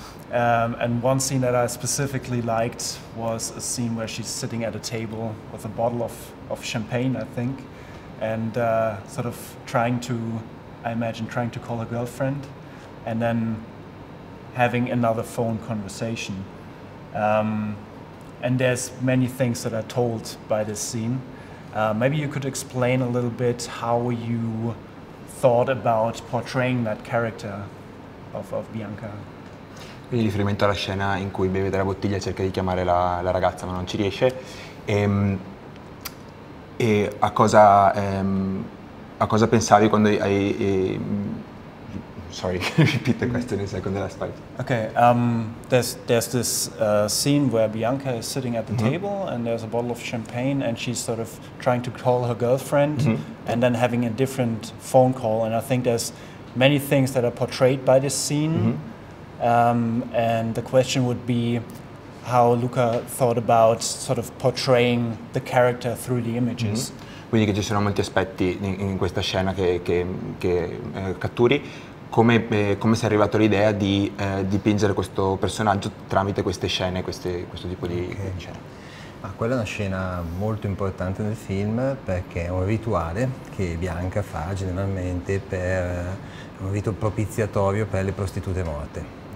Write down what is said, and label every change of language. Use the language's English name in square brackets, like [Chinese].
[English] And one scene that I specifically liked was a scene where she's sitting at a table with a bottle of champagne, I think, and sort of trying to call her girlfriend, and then having another phone conversation. And there's many things that are told by this scene. Maybe you could explain a little bit how you thought about portraying that character of Bianca. [Italian] Quindi in riferimento alla scena in cui beve dalla bottiglia e cerca di chiamare la ragazza ma non ci riesce, e a cosa pensavi quando hai [English] sorry repeat the question in second last part. Okay, there's this scene where Bianca is sitting at the mm-hmm. table and there's a bottle of champagne and she's sort of trying to call her girlfriend mm-hmm. and then having a different phone call, and I think there's many things that are portrayed by this scene. Mm-hmm. And the question would be how Luca thought about sort of portraying the character through the images. Mm-hmm. [Italian] Quindi che ci sono molti aspetti in questa scena che catturi, come sei arrivato all'idea di dipingere questo personaggio tramite queste scene, questo tipo di okay. scena? Ma quella è una scena molto importante nel film, perché è un rituale che Bianca fa generalmente, per un rito propiziatorio per le prostitute morte.